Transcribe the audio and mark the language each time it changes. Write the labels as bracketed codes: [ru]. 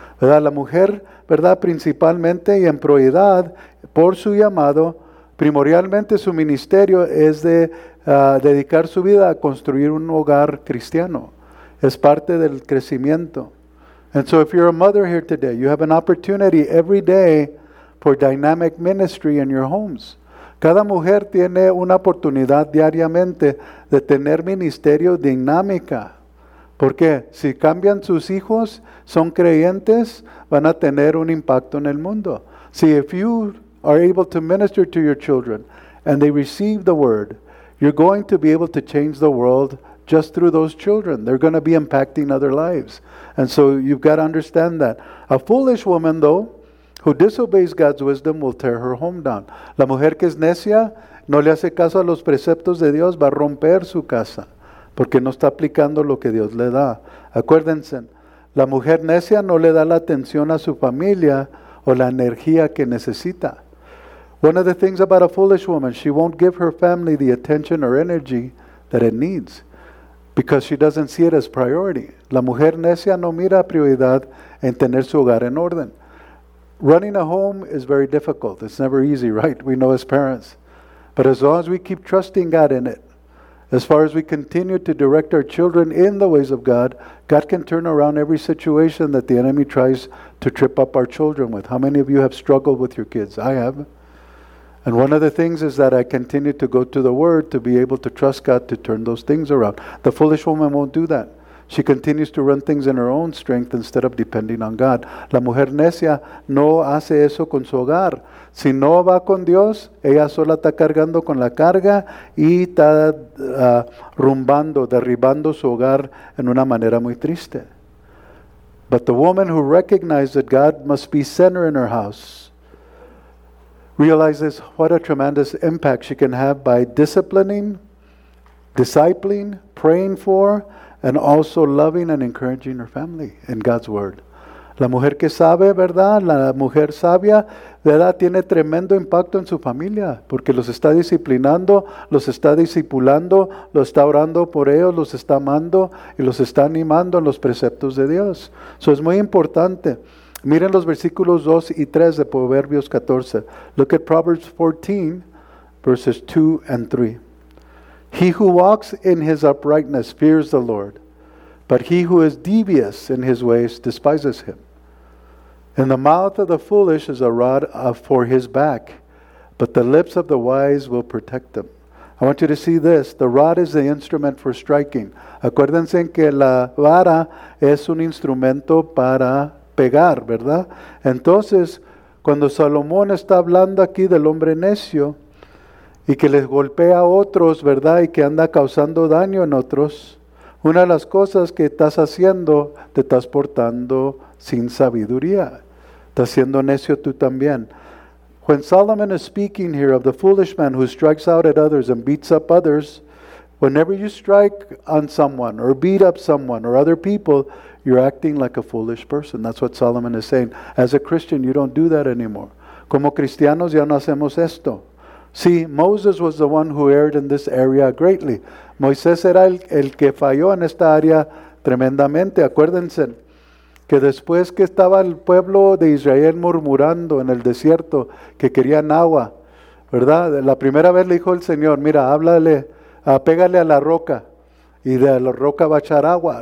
[es] ¿Verdad? La mujer, ¿verdad? Principalmente y en prioridad por su llamado, primordialmente su ministerio es de dedicar su vida a construir un hogar cristiano. Es parte del crecimiento. [en] And so if you're a mother here today, you have an opportunity every day for dynamic ministry in your homes. [es] Cada mujer tiene una oportunidad diariamente de tener ministerio dinámica. ¿Por qué? Si cambian sus hijos, son creyentes, van a tener un impacto en el mundo. [en] See, if you are able to minister to your children and they receive the word, you're going to be able to change the world just through those children. They're going to be impacting other lives. And so you've got to understand that. A foolish woman, though, who disobeys God's wisdom will tear her home down. [es] La mujer que es necia, no le hace caso a los preceptos de Dios, va a romper su casa, porque no está aplicando lo que Dios le da. Acuérdense, la mujer necia no le da la atención a su familia o la energía que necesita. [en] One of the things about a foolish woman, she won't give her family the attention or energy that it needs. Because she doesn't see it as priority. [es] La mujer necia no mira prioridad en tener su hogar en orden. [en] Running a home is very difficult. It's never easy, right? We know as parents. But as long as we keep trusting God in it, as far as we continue to direct our children in the ways of God, God can turn around every situation that the enemy tries to trip up our children with. How many of you have struggled with your kids? I have. And one of the things is that I continue to go to the Word to be able to trust God to turn those things around. The foolish woman won't do that. She continues to run things in her own strength instead of depending on God. [es] La mujer necia no hace eso con su hogar. Si no va con Dios, ella sola está cargando con la carga y está rumbando, derribando su hogar en una manera muy triste. [en] But the woman who recognizes that God must be center in her house realizes what a tremendous impact she can have by disciplining, discipling, praying for, and also loving and encouraging her family in God's word. [es] La mujer que sabe, ¿verdad? La mujer sabia, ¿verdad? Tiene tremendo impacto en su familia porque los está disciplinando, los está discipulando, los está orando por ellos, los está amando y los está animando en los preceptos de Dios. Eso es muy importante. Miren los versículos 2 y 3 de Proverbios 14. [en] Look at Proverbs 14, verses 2 and 3. He who walks in his uprightness fears the Lord, but he who is devious in his ways despises him. In the mouth of the foolish is a rod for his back, but the lips of the wise will protect them. I want you to see this. The rod is the instrument for striking. [es] Acuérdense que la vara es un instrumento para pegar, ¿verdad? Entonces, cuando Salomón está hablando aquí del hombre necio y que les golpea a otros, ¿verdad? Y que anda causando daño en otros, una de las cosas que estás haciendo, te estás portando sin sabiduría. Estás siendo necio tú también. [en] When Solomon is speaking here of the foolish man who strikes out at others and beats up others, whenever you strike on someone or beat up someone or other people, you're acting like a foolish person. That's what Solomon is saying. As a Christian, you don't do that anymore. [es] Como cristianos ya no hacemos esto. [en] See, Moses was the one who erred in this area greatly. [es] Moisés era el que falló en esta área tremendamente. Acuérdense que después que estaba el pueblo de Israel murmurando en el desierto que querían agua, ¿verdad? La primera vez le dijo el Señor, mira, háblale, pégale a la roca y de la roca va a echar agua.